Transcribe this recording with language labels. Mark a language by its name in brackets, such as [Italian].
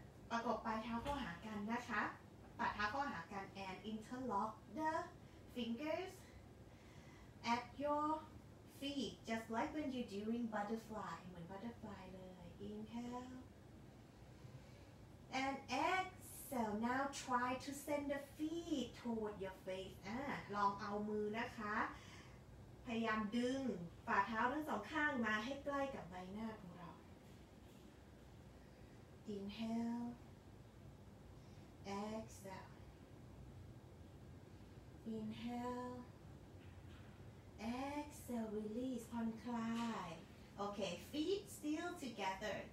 [Thai] ประกบปลายเท้าเข้าหากันนะคะปัดเท้าเข้าหากัน [English] And interlock the fingers at your feet, just like when you're doing butterfly. [Thai] เหมือน butterfly เลย [English] Inhale and exhale. So now try to send the feet toward your face. [Thai] ลองเอามือนะคะพยายามดึงฝ่าเท้าทั้งสองข้างมาให้ใกล้กับใบหน้าของเรา [English] Inhale Exhale Inhale Exhale Release [Thai] ผ่อนคลาย [English] Okay, feet still together.